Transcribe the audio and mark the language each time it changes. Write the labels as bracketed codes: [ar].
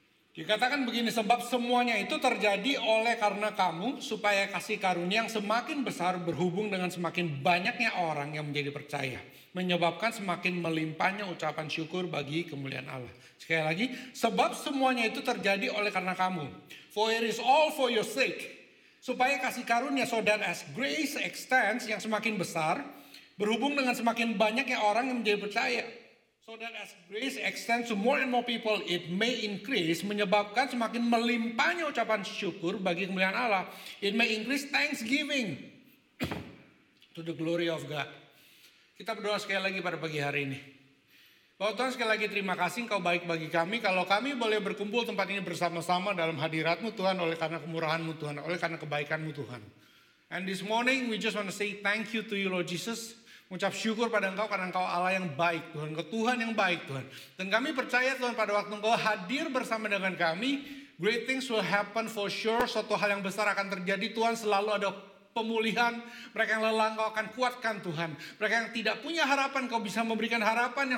[id] Dikatakan begini, sebab semuanya itu terjadi oleh karena kamu, supaya kasih karunia yang semakin besar berhubung dengan semakin banyaknya orang yang menjadi percaya, menyebabkan semakin melimpahnya ucapan syukur bagi kemuliaan Allah. Sekali lagi, sebab semuanya itu terjadi oleh karena kamu. [en] For it is all for your sake. [id] Supaya kasih karunia, [en] so that as grace extends, [id] yang semakin besar, berhubung dengan semakin banyaknya orang yang menjadi percaya. [en] So that as grace extends to more and more people, it may increase, [id] menyebabkan semakin melimpahnya ucapan syukur bagi kemuliaan Allah. [en] It may increase thanksgiving to the glory of God. [id] Kita berdoa sekali lagi pada pagi hari ini. Bahwa Tuhan, sekali lagi terima kasih Engkau baik bagi kami. Kalau kami boleh berkumpul tempat ini bersama-sama dalam hadirat-Mu Tuhan, oleh karena kemurahan-Mu Tuhan, oleh karena kebaikan-Mu Tuhan. [en] And this morning we just want to say thank you to you Lord Jesus. [id] Mengucap syukur pada Engkau karena Engkau Allah yang baik Tuhan. Engkau Tuhan yang baik Tuhan. Dan kami percaya Tuhan, pada waktu Engkau hadir bersama dengan kami, [en] great things will happen for sure. [id] Suatu hal yang besar akan terjadi Tuhan, selalu ada pemulihan. Mereka yang lelah Engkau akan kuatkan Tuhan. Mereka yang tidak punya harapan Engkau bisa memberikan harapan.